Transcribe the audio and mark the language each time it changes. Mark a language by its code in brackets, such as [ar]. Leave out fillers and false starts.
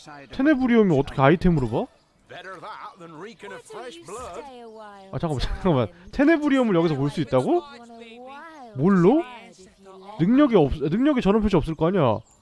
[ko] 테네브리움이 어떻게 아이템으로 봐? [en] Better that than reeking of fresh blood. [ko] 아, 잠깐만. 테네브리움을 여기서 볼 수 있다고? 뭘로? 능력이 없 능력이 전원 표시 없을 거 아니야.